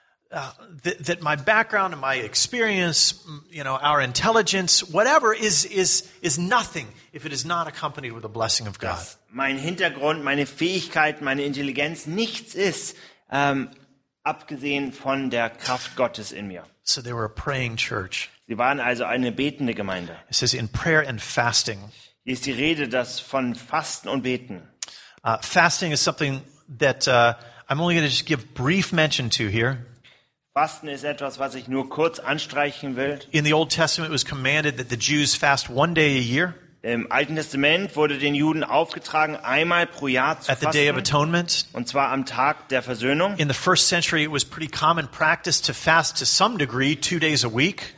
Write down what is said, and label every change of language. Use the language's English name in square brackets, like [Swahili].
[English] That my background and my experience, you know, our intelligence, whatever is nothing if it is not accompanied with the blessing of God. [German] Dass mein Hintergrund, meine Fähigkeit, meine Intelligenz nichts ist, abgesehen von der Kraft Gottes in mir. [English] So they were a praying church. [German] Sie waren also eine betende Gemeinde. [English] It says in prayer and fasting. [German] Hier ist die Rede das von Fasten und Beten. [English] Fasting is something that I'm only going to just give brief mention to here. [German] Fasten ist etwas, was ich nur kurz anstreichen will. [English] In the Old Testament it was commanded that the Jews fast one day a year. [German] Im Alten Testament wurde den Juden aufgetragen, einmal pro Jahr zu fasten. [English] Day of Atonement. [German] Und zwar am Tag der Versöhnung. [English] In the first century it was pretty common practice to fast to some degree 2 days a week.